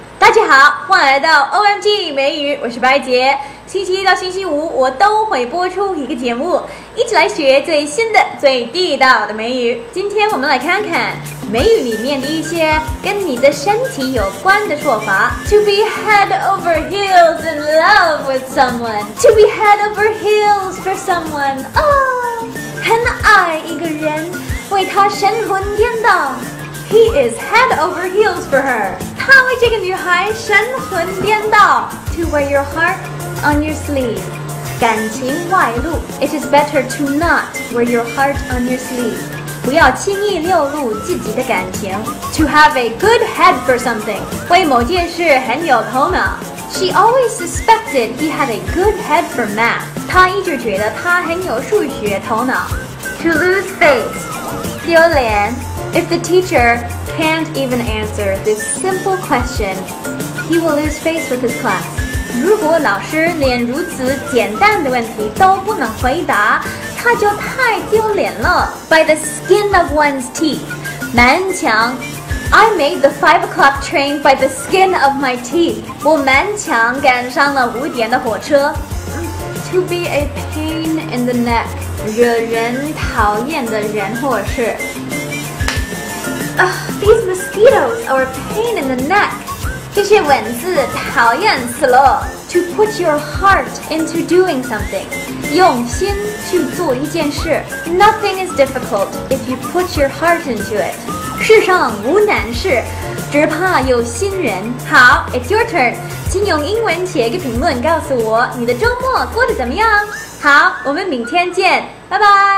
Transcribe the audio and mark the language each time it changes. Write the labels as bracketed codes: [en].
[zh] 家好，欢迎来到 OMG 美语，我是白杰。星期一到星期五，我都会播出一个节目，一起来学最新的、最地道的美语。今天我们来看看美语里面的一些跟你的身体有关的说法。 [en] To be head over heels in love with someone. To be head over heels for someone. [zh] 啊，很爱一个人，为他神魂颠倒。 [en] He is head over heels for her. [zh] 他为这个女孩神魂颠倒。 [en] To wear your heart on your sleeve. [zh] 感情外露。 [en] It is better to not wear your heart on your sleeve. [zh] 不要轻易流露自己的感情。 [en] To have a good head for something. [zh] 为某件事很有头脑。 [en] She always suspected he had a good head for math. [zh] 她一直觉得他很有数学头脑。 [en] To lose face. [zh] 丢脸。 [en] If the teacher can't even answer this simple question, he will lose face with his class. [zh] 如果老师连如此简单的问题都不能回答，他就太丢脸了。 [en] By the skin of one's teeth, [zh] 蛮强。 [en] I made the 5 o'clock train by the skin of my teeth. [zh] 我蛮强赶上了五点的火车。 [en] To be a pain in the neck, [zh] 惹人讨厌的人或事。 [en] These mosquitoes are a pain in the neck. [zh] 这些蚊子讨厌死了。 [en] To put your heart into doing something. [zh] 用心去做一件事。 [en] Nothing is difficult if you put your heart into it. [zh] 世上无难事，只怕有心人。好， [en] it's your turn. [zh] 请用英文写一个评论告诉我你的周末过得怎么样。好，我们明天见，拜拜。